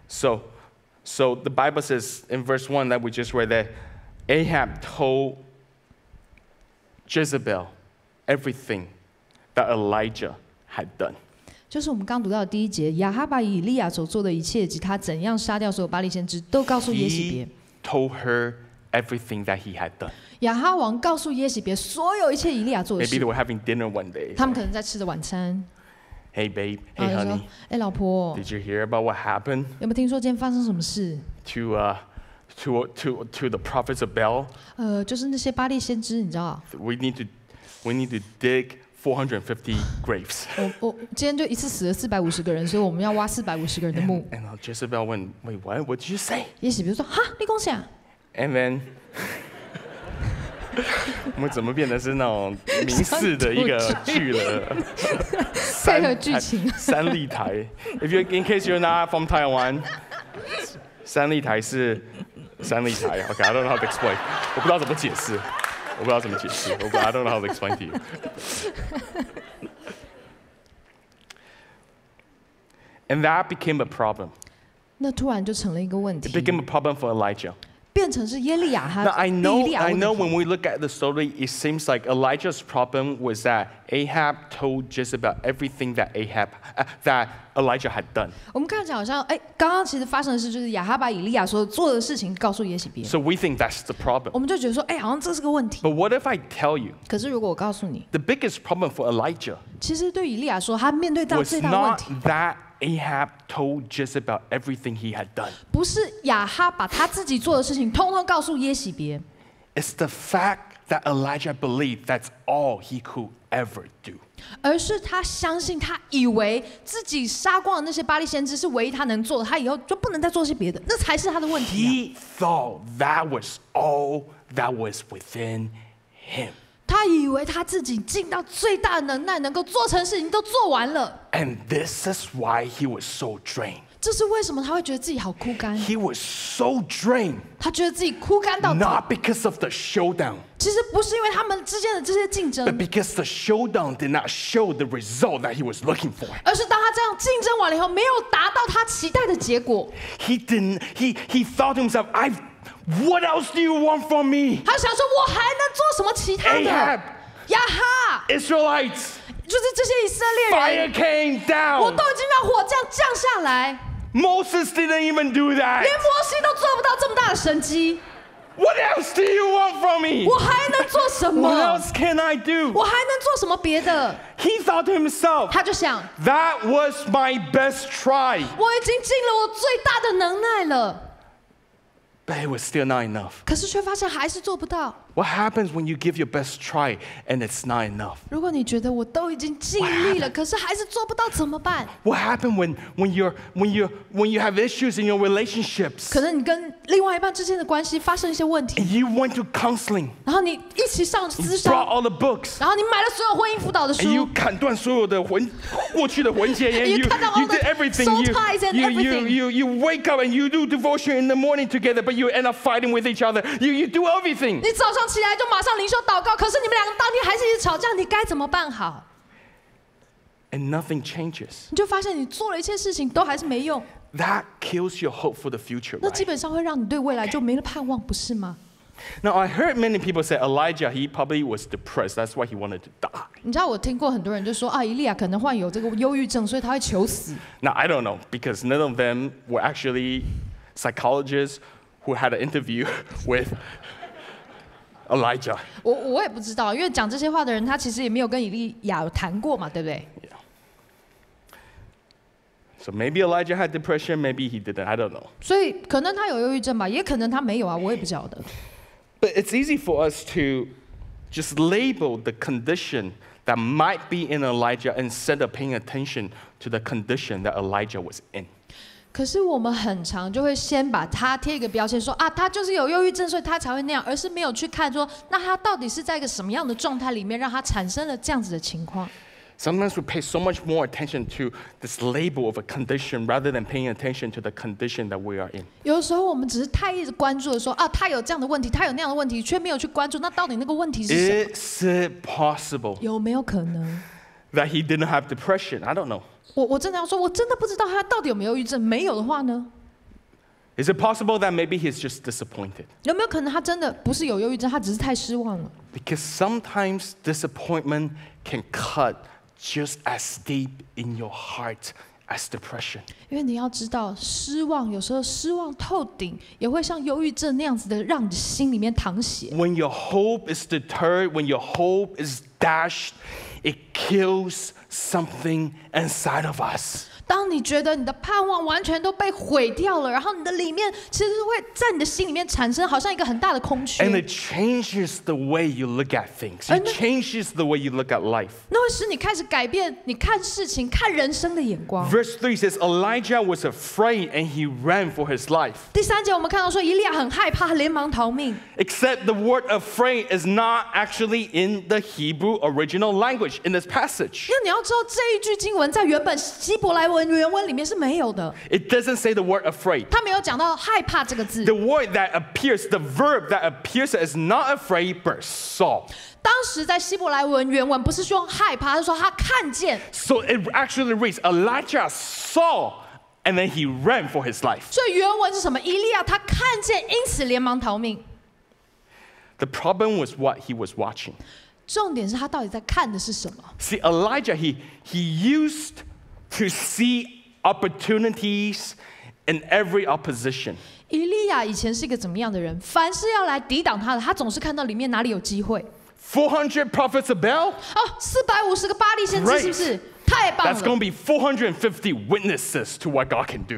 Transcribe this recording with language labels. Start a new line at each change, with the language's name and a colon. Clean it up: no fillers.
English: So the Bible says in verse 1 that we just read that Ahab told Jezebel everything that Elijah had done.
Chinese: 就是我们刚读到的第一节，亚哈把以利亚所做的一切及他怎样杀掉所有巴利先知都告诉耶洗别。
English: He told her everything that he had done.
Chinese: 亚哈王告诉耶洗别所有一切以利亚做的事。
English: Maybe they were having dinner one day.
Chinese: 他们可能在吃着晚餐。
English: Hey babe, hey honey.
Chinese: 哎，老婆。
English: Did you hear about what happened?
Chinese: 有没有听说今天发生什么事
English: ？To the prophets of Baal.
Chinese: 就是那些巴利先知，你知道
English: ？We need to dig 450 graves.
Chinese: 我今天就一次死了450个人，所以我们要挖450个人的墓。
English: And Jezebel went, wait, what? What did you say?
Chinese: 耶洗别说，哈，你讲啥
English: ？And then.
Chinese: 我们怎么变得是那种名士的一个剧了？配合剧情，三立台。
English: In case you're not from Taiwan，
Chinese: 三立台是三立台。
English: Okay， I don't know how to explain。
Chinese: 我不知道怎么解释，我不知道怎么解释。
English: I don't know how to explain to you。 And that became a problem。
Chinese: 那突然就成了一个问题。
English: It became a problem for Elijah。
Chinese: 变成是耶利亚哈。
English: I know when we look at the story, it seems like Elijah's problem was that Ahab told Jezebel everything that that Elijah had done.
Chinese: 我们看起来好像，哎，刚刚其实发生的事就是亚哈把以利亚所做的事情告诉耶洗别。
English: So we think that's the problem.
Chinese: 我们就觉得说，哎，好像这是个问题。
English: But what if I tell you?
Chinese: 可是如果我告诉你
English: ，the biggest problem for Elijah.
Chinese: 其实对以利亚说，他面对到最大的问题
English: was not that. Ahab told Jezebel everything he had done.
Chinese: 不是亚哈把他自己做的事情通通告诉耶洗别。
English: It's the fact that Elijah believed that's all he could ever do.
Chinese: 而是他相信他以为自己杀光的那些巴利先知是唯一他能做的，他以后就不能再做些别的，那才是他的问题。
English: He thought that was all that was within him.
Chinese: 他以为他自己尽到最大的能耐，能够做成事情都做完了。
English: And this is why he was so drained.
Chinese: 这是为什么他会觉得自己好枯干。
English: He was so drained.
Chinese: 他觉得自己枯干到。
English: Not because of the showdown.
Chinese: 其实不是因为他们之间的这些竞争。
English: But because the showdown did not show the result that he was looking for.
Chinese: 而是当他这样竞争完了以后，没有达到他期待的结果。
English: He thought to himself, what else do you want from me?
Chinese: 他想说我还能做什么其他的
English: ？Ahab,
Chinese: 亚哈
English: ，Israelites.
Chinese: 就是这些以色列人。
English: Fire came down.
Chinese: 我都已经让火这样降下来。
English: Moses didn't even do that.
Chinese: 连摩西都做不到这么大的神迹。
English: What else do you want from me?
Chinese: 我还能做什么
English: ？What else can I do?
Chinese: 我还能做什么别的
English: ？He thought to himself.
Chinese: 他就想。
English: That was my best try.
Chinese: 我已经尽了我最大的能耐了。
English: But it was still not enough.
Chinese: 可是却发现还是做不到。
English: What happens when you give your best try and it's not enough?
Chinese: 如果你觉得我都已经尽力了，可是还是做不到，怎么办？
English: What happens when you have issues in your relationships?
Chinese: 可能你跟另外一半之间的关系发生一些问题。
English: And you went to counseling.
Chinese: 然后你一起上咨商。
English: Brought all the books.
Chinese: 然后你买了所有婚姻辅导的书。
English: And you
Chinese: 砍断所有的魂，过去的魂结。
English: And you did everything. Soul ties and everything. You wake up and you do devotion in the morning together, but you end up fighting with each other. You do everything.
Chinese: 你早上起来就马上灵修祷告，可是你们两个当天还是一直吵架，你该怎么办好？
English: And nothing changes.
Chinese: 你就发现你做了一切事情都还是没用。
English: That kills your hope for the future.
Chinese: 那基本上会让你对未来就没了盼望，不是吗？
English: Now I heard many people say Elijah, he probably was depressed. That's why he wanted to die.
Chinese: 你知道我听过很多人就说啊，以利亚可能患有这个忧郁症，所以他会求死。
English: Now I don't know because none of them were actually psychologists who had an interview with. Elijah.
Chinese: 我也不知道，因为讲这些话的人，他其实也没有跟以利亚谈过嘛，对不对？
English: Yeah. So maybe Elijah had depression, maybe he didn't. I don't know.
Chinese: 所以可能他有忧郁症吧，也可能他没有啊，我也不晓得。
English: But it's easy for us to just label the condition that might be in Elijah instead of paying attention to the condition that Elijah was in.
Chinese: 可是我们很常就会先把他贴一个标签说啊，他就是有忧郁症，所以他才会那样，而是没有去看说，那他到底是在一个什么样的状态里面，让他产生了这样子的情况。
English: Sometimes we pay so much more attention to this label of a condition rather than paying attention to the condition that we are in.
Chinese: 有时候我们只是太一直关注的说啊，他有这样的问题，他有那样的问题，却没有去关注那到底那个问题是什么。
English: Is it possible?
Chinese: 有没有可能
English: that he didn't have depression? I don't know.
Chinese: 我真的要说，我真的不知道他到底有没有忧郁症。没有的话呢？
English: Is it possible that maybe he's just disappointed?
Chinese: 有没有可能他真的不是有忧郁症，他只是太失望了？
English: Because sometimes disappointment can cut. Just as deep in your heart as depression.
Chinese: 因为你要知道，失望有时候失望透顶，也会像忧郁症那样子的，让你心里面淌血。
English: When your hope is deterred, when your hope is dashed, it kills something inside of us.
Chinese: 当你觉得你的盼望完全都被毁掉了，然后你的里面其实会在你的心里面产生好像一个很大的空缺。
English: And it changes the way you look at things. It changes the way you look at life.
Chinese: 那会使你开始改变你看事情、看人生的眼光。
English: Verse 3 says Elijah was afraid and he ran for his life.
Chinese: 第三节我们看到说以利亚很害怕，连忙逃命。
English: Except the word afraid is not actually in the Hebrew original language in this passage.
Chinese: 那你要知道这一句经文在原本希伯来。
English: It doesn't say the word afraid.
Chinese: 他没有讲到害怕这个字。
English: The word that appears, the verb that appears, is not afraid but saw.
Chinese: 当时在希伯来文原文不是说害怕，是说他看见。
English: So it actually reads, Elijah saw, and then he ran for his life.
Chinese: 所以原文是什么？以利亚他看见，因此连忙逃命。
English: The problem was what he was watching.
Chinese: 重点是他到底在看的是什么
English: ？See Elijah, he used. To see opportunities in every opposition.
Chinese: 以利亚以前是一个怎么样的人？凡是要来抵挡他的，他总是看到里面哪里有机会。
English: 400 prophets of Baal.
Chinese: 哦，四百五十个巴利先知，是不是？太棒了。
English: That's going to be 450 witnesses to what God can do.